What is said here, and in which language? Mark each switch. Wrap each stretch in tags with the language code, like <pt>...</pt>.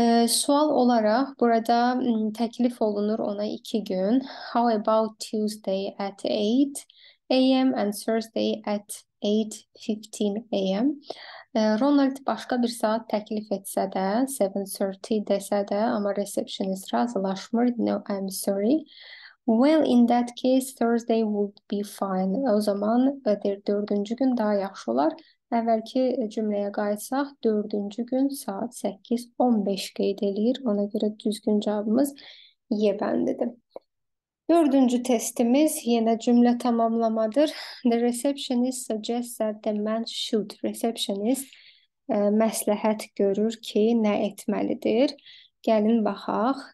<az>Sual olaraq burada təklif olunur ona 2 gün.</az> <en>How about Tuesday at 8 a.m. and Thursday at 8:15 a.m.</en> <az>Ronald başqa bir saat təklif etsə də, 7:30 desə də, amma receptionist razılaşmır.</az> <en>No, I'm sorry. Well, in that case, Thursday would be fine.</en> <az>O zaman 4-cü gün daha yaxşı olar. Əvvəlki cümləyə qayıtsaq, 4-cü gün saat 8:15 qeyd edilir. Ona görə düzgün cavabımız Y bəndidir. 4-cü testimiz yenə cümlə tamamlamadır.</az> <en>The receptionist suggests that the man should.</en> <az>Receptionist məsləhət görür ki, nə etməlidir. Gəlin baxaq.</az>